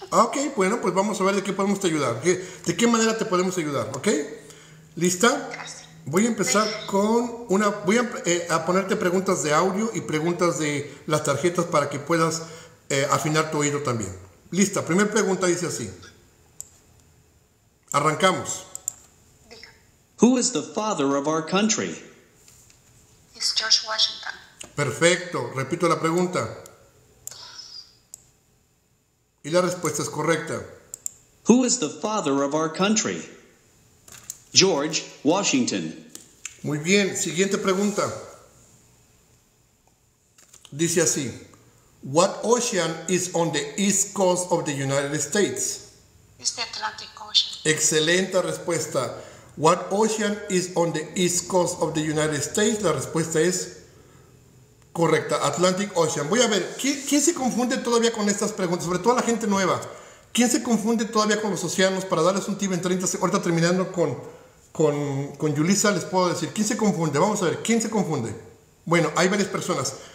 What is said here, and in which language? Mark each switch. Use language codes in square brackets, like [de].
[es] Ok, bueno, pues vamos a ver de qué podemos te ayudar. ¿De qué manera te podemos ayudar? ¿Ok? ¿Lista? Gracias. Voy a empezar con una... Voy a ponerte preguntas de audio y preguntas de las tarjetas para que puedas afinar tu oído también. Lista, primer pregunta dice así. Arrancamos. Diga. [en] Who is the father of our country? [es] Es George Washington. Perfecto, repito la pregunta. Y la respuesta es correcta. [en] Who is the father of our country? George Washington. [es] Muy bien, siguiente pregunta. Dice así. [en] What ocean is on the east coast of the United States? It's the Atlantic Ocean. [es] Excelente respuesta. [en] What ocean is on the east coast of the United States? [es] La respuesta es... Correcta, Atlantic Ocean. Voy a ver, ¿quién se confunde todavía con estas preguntas? Sobre todo la gente nueva. ¿Quién se confunde todavía con los océanos? Para darles un tip en 30 segundos. Ahorita terminando con Yulisa, les puedo decir. ¿Quién se confunde? Vamos a ver, ¿quién se confunde? Bueno, hay varias personas.